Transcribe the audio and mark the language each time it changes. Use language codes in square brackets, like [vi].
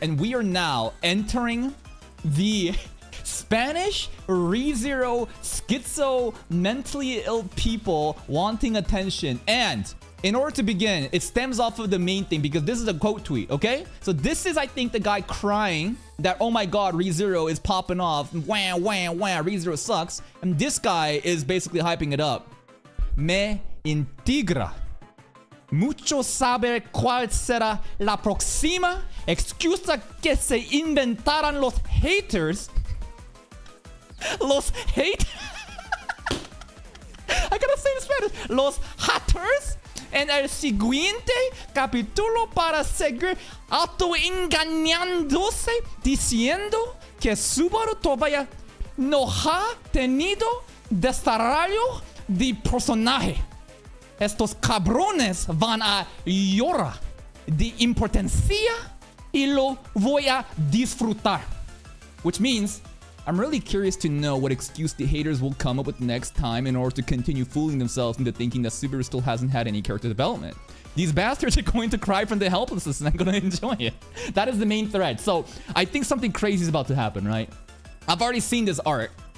[en] And we are now entering the Spanish ReZero schizo mentally ill people wanting attention. And in order to begin, it stems off of the main thing because this is a quote tweet, okay? So this is, I think, the guy crying that, oh my god, ReZero is popping off. Wah, wah, wah, ReZero sucks. And this guy is basically hyping it up. [es] Me integra. Mucho sabe cuál será la próxima excusa que se inventarán los haters. Los hate. [en] I gotta say this better. [es] Los haters. En el siguiente capítulo para seguir autoengañándose diciendo que Subaru todavía no ha tenido desarrollo de personaje. Estos cabrones van a llorar de impotencia y lo voy a disfrutar. [en] Which means, I'm really curious to know what excuse the haters will come up with next time in order to continue fooling themselves into thinking that Subaru still hasn't had any character development. These bastards are going to cry from the helplessness and I'm going to enjoy it. That is the main thread. So, I think something crazy is about to happen, right? I've already seen this art.